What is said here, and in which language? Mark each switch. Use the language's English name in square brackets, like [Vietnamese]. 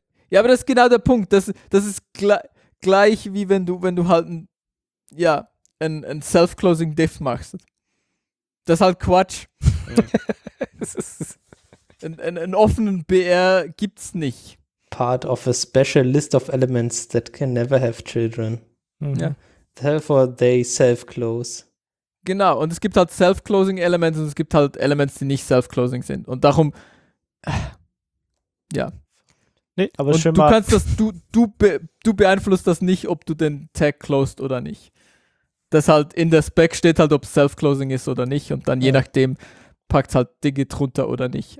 [German] Ja, aber das ist genau der Punkt. Das ist gleich wie wenn du halt ein Self-Closing Diff machst. Das ist halt Quatsch. Einen offenen BR gibt's nicht. [English] Part of a special list of elements that can never have children. [German] Mhm. Ja. [English] Therefore they self-close. [German] Genau, und es gibt halt Self-Closing-Elements und es gibt halt Elements, die nicht Self-Closing sind. Und darum, ja. Nee, aber und schön du mal. Kannst das, du beeinflusst das nicht, ob du den Tag closed oder nicht. Das halt in der Spec steht halt, ob Self-Closing ist oder nicht und dann je nachdem packt es halt Digit drunter oder nicht.